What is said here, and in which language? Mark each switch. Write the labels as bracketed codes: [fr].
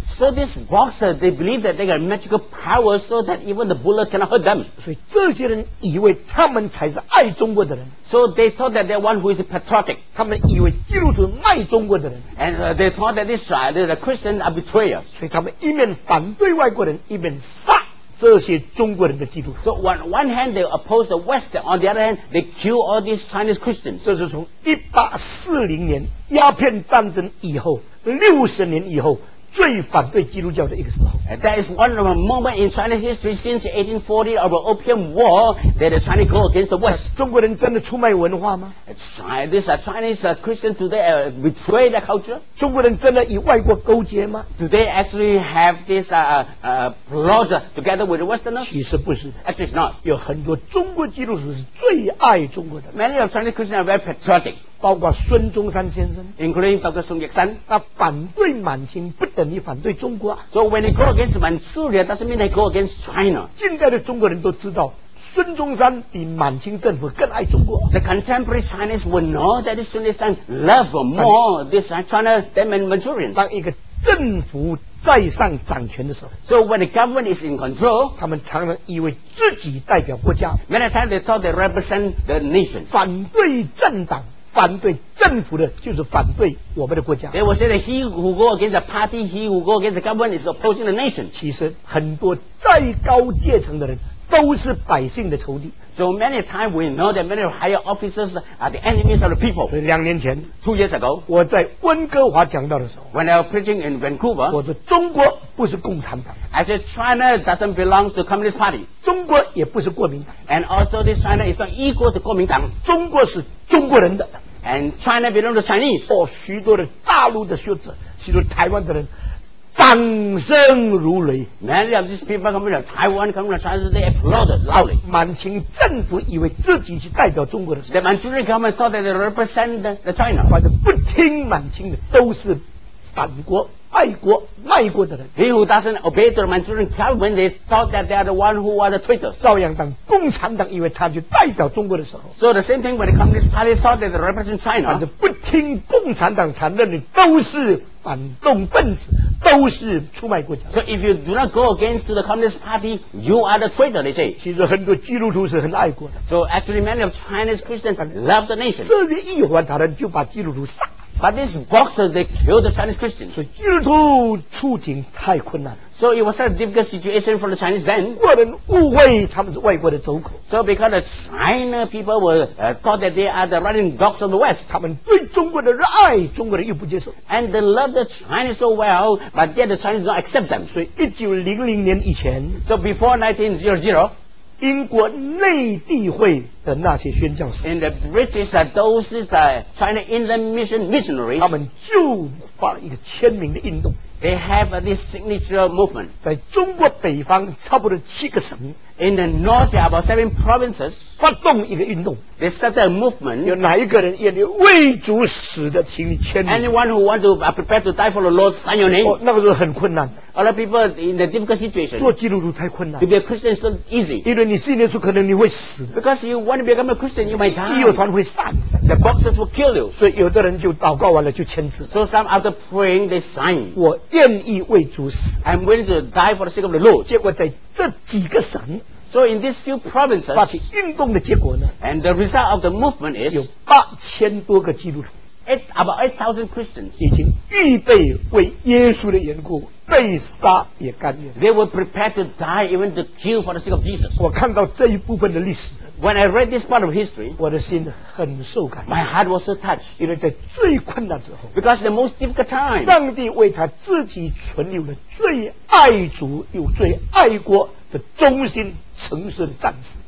[en] So this boxer, they believe that they got magical power so that even the bullet cannot hurt them. [zh] 所以这些人以为他们才是爱中国的人。 [en] So they thought that they're one who is patriotic. [zh] 他们以为基督徒卖中国的人。 [en] And they thought that this the Christians are betrayers. [zh] 所以他们一面反对外国人，一面杀这些中国人的基督徒。 [en] So on one hand they oppose the West, on the other hand they kill all these Chinese Christians. [zh] 这是从1840年鸦片战争以后60年以后最反对基督教的一个时候。 [en] And that is one of the moment in Chinese history since 1840 of the Opium War that the Chinese go against the West. [zh] 中国人真的出卖文化吗？ [en] This Chinese Christian today betray the culture? [zh] 中国人真的与外国勾结吗？ [en] Do they actually have this plot together with the Westerners? [zh] 其实不是。 [en] Actually not. [zh] 有很多中国基督徒是最爱中国的。 [en] Many of Chinese Christians are very patriotic. [zh] 包括孙中山先生 [en] including Dr. Sun Yat-sen [zh] 他反对满清不等于反对中国、啊、 [en] So when they go against Manchuria doesn't mean they go against China [zh] 近代的中国人都知道孙中山比满清政府更爱中国 [en] The contemporary Chinese will know that Sun Yat-sen love more this China than Manchuria [zh] 当一个政府在上掌权的时候 [en] So when the government is in control [zh] 他们常常以为自己代表国家 [en] Many times they thought they represent the nation [zh] 反对政党反对政府的就是反对我们的国家。 [en] They will say that he who go against the party, he who go against the government is opposing the nation. [zh] 其实很多再高阶层的人都是百姓的仇敌。 [en] So many times we know that many higher officers are the enemies of the people. [zh] 所以两年前 [en] ，two years ago， [zh] 我在温哥华讲到的时候 [en] ，when I was preaching in Vancouver， [zh] 我说中国不是共产党。 [en] I said China doesn't belong to Communist Party. [zh] 中国也不是国民党。 [en] And also this China is not equal to 国民党。 [zh] 中国是。中国人的 [en] and China belongs to Chinese [zh] 哦，许多的大陆的学者许多台湾的人掌声如雷 [en] many of these people come from Taiwan come from China they applaud loudly [zh] 满清政府以为自己是代表中国的 [en] the Manchurian government thought that they represent the China [zh] 反正不听满清的都是反国爱国卖国的人 [en] he who doesn't obey the Manchurian government they thought that they are the one who are the traitors [zh] 照样当共产党以为他就代表中国的时候 [en] so the same thing when the Communist Party thought that they represent China [zh] 反正不听共产党承认的都是反动分子都是出卖国家 [en] so if you do not go against the Communist Party you are the traitor they say [zh] 其实很多基督徒是很爱国的 [en] so actually many of Chinese Christians love the nation [zh] 这些义和团的人就把基督徒杀 [en] But these boxers, they killed the Chinese Christians. [zh] 所以基督徒处境太困难。 [en] So it was such a difficult situation for the Chinese then. [zh] 外人误会他们是外国的走狗。 [en] So because the China people were thought that they are the running dogs of the West. [zh] 他们对中国的热爱，中国人又不接受。 [en] And they love the Chinese so well, but yet the Chinese don't accept them. [zh] 所以1900年以前。 [en] So before 1900. [zh] 英国内地会的那些宣教士 [en] in the British, those is the China Inland Mission missionaries [zh] 他们就发了一个签名的运动 [en] they have this signature movement [zh] 在中国北方差不多七个省 [en] in the north there are about seven provinces [zh] 发动一个运动 [en] they started a movement [zh] 有哪一个人愿意为主死的请你签名 [en] anyone who wants to prepare to die for the Lord sign your name、 [zh] 哦、那个时候很困难 [en] A lot of people in the difficult situation. [zh] 做基督徒太困难。 [en] To be a Christian is not easy. [zh] 因为你信耶稣，可能你会死。 [en] Because you want to become a Christian, you might die. [zh] 义友团会散。 [en] The boxers will kill you. [zh] 所以有的人就祷告完了就签字。 [en] So some after praying they sign. [zh] 我愿意为主死。 [en] I'm willing to die for the sake of the Lord. [zh] 结果在这几个省。 [en] So in these few provinces. [zh] 发起运动的结果呢。 [en] And the result of the movement is. [zh] 有八千多个基督徒。 [en] About 8,000 Christians [zh] 已经预备为耶稣的缘故被杀也甘愿 [en] They were prepared to die even to kill for the sake of Jesus [zh] 我看到这一部分的历史 [en] When I read this part of history [zh] 我的心很受感 [en] My heart was so touched [zh] 因为在最困难之后 [en] Because the most difficult time [zh] 上帝为他自己存留了最爱主又最爱国的忠心诚实的战士